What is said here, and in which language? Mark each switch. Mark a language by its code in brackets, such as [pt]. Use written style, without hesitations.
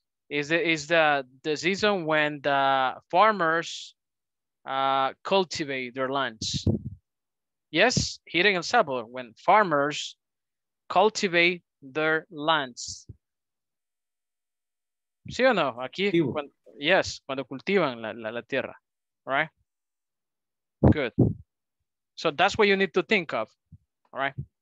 [en] Is the season when the farmers cultivate their lands. Yes, here in El Salvador, when farmers cultivate their lands. [es] ¿Sí o no? Aquí, cuando, yes, cuando cultivan la tierra, right? [en] Good. So that's what you need to think of, all right?